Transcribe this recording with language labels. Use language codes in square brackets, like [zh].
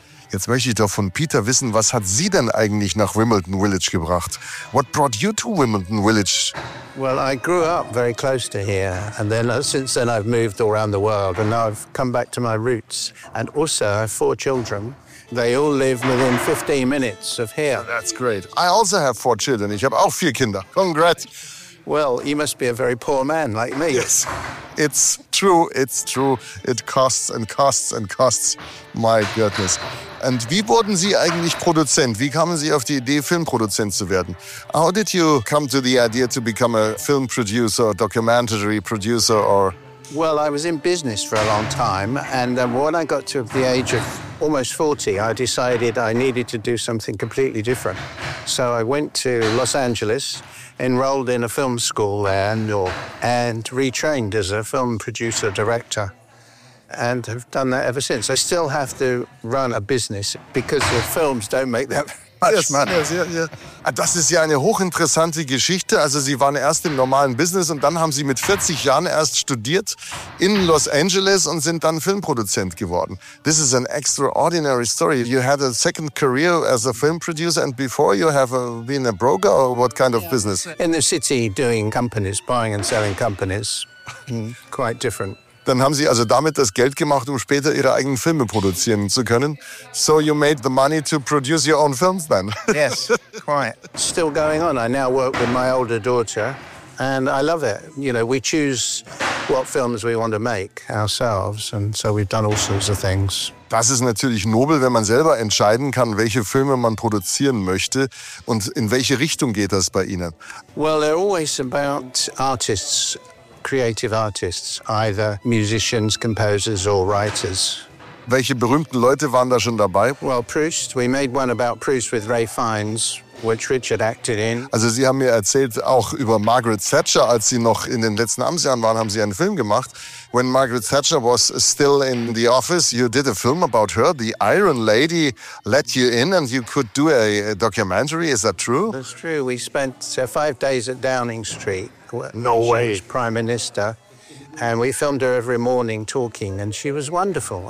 [de] Jetzt möchte ich doch von Peter wissen, was hat Sie denn eigentlich nach Wimbledon Village gebracht? [en] What brought you to Wimbledon Village? Well, I grew up very close to here, and then since then I've moved all around the world, and now I've come back to my roots. And also, I have four children. They all live within 15 minutes of here. That's great. I also have four children. [de] Ich habe auch vier Kinder. [en] Congrats. Well, you must be a very poor man like me. Yes, it's true, it's true. It costs and costs and costs. My goodness. [de] And wie wurden Sie eigentlich Produzent? Wie kamen Sie auf die Idee, Filmproduzent zu werden? [en] How did you come to the idea to become a film producer, documentary producer, or? Well, I was in business for a long time, and when I got to the age of almost 40, I decided I needed to do something completely different. So I went to Los Angeles, enrolled in a film school there, and retrained as a film producer director. And have done that ever since. I still have to run a business because the films don't make that [de] Quatsch, Mann. Ja. Das ist ja eine hochinteressante Geschichte. Also Sie waren erst im normalen Business und dann haben Sie mit 40 Jahren erst studiert in Los Angeles und sind dann Filmproduzent geworden. [en] This is an extraordinary story. You had a second career as a film producer and before you have been a broker or what kind of business? In the city doing companies, buying and selling companies. Quite different. [de] Dann haben Sie also damit das Geld gemacht, um später Ihre eigenen Filme produzieren zu können. [en] So you made the money to produce your own films then? Yes, quite. Still going on. I now work with my older daughter and I love it. You know, we choose what films we want to make ourselves and so we've done all sorts of things. [de] Das ist natürlich nobel, wenn man selber entscheiden kann, welche Filme man produzieren möchte und in welche Richtung geht das bei Ihnen? [en] Well, they're always about artists. Creative artists, either musicians, composers or writers. [de] Welche berühmten Leute waren da schon dabei? [en] Well, Proust. We made one about Proust with Ralph Fiennes, which Richard acted in. [de] Also Sie haben mir erzählt, auch über Margaret Thatcher, als Sie noch in den letzten Amtsjahren waren, haben Sie einen Film gemacht. [en] When Margaret Thatcher was still in the office, you did a film about her. The Iron Lady let you in and you could do a documentary. Is that true? That's true. We spent 5 days at Downing Street. No way. She was Prime Minister. And we filmed her every morning talking, and she was wonderful.